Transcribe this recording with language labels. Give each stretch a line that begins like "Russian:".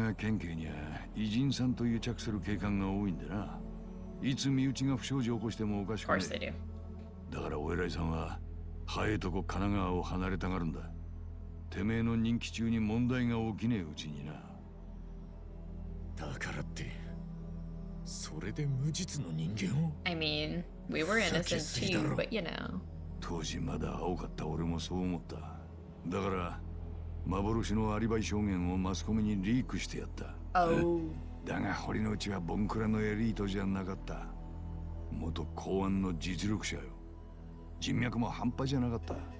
Japanese: 川県警には偉人さんと癒着する警官が多いんでな、いつ身内が不祥事を起こしてもおかしくない。だからお偉いさんは早いとこ神奈川を離れたがるんだ。てめえの任期中に問題が起きねえうちにな。だからってそれで無実の人間を。
English: I mean we were innocent too but you know。
Japanese: 当時まだ青かった俺もそう思った。だから幻のアリバイ証言をマスコミにリークしてやった、だが堀之内はボンクラのエリートじゃなかった。元公安の実力者よ。人脈も半端じゃなかった。